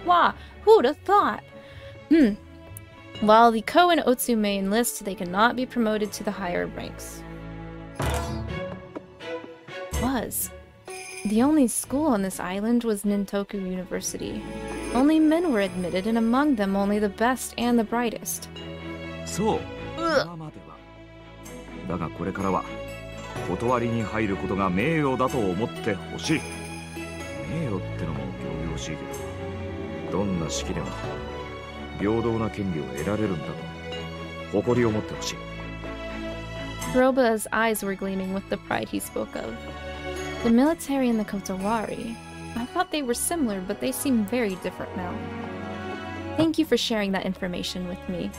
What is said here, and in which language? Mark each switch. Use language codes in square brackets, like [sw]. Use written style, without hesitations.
[en] Wow, who'd have thought? While the Ko and Otsu may enlist, they cannot be promoted to the higher ranks. Was. The only school on this island was Nintoku University. Only men were admitted, and among them only the best and the brightest. [ja] そう。今までは。だがこれからは、断りに入ることが名誉だと思ってほしい。名誉ってのも行々しいけど、どんな式でも平等な権利を得られるんだと誇りを持ってほしい。 [en] Roba's eyes were gleaming with the pride he spoke of. The military and the Kotowari. I thought they were similar, but they seem very different now. Thank you for sharing that information with me.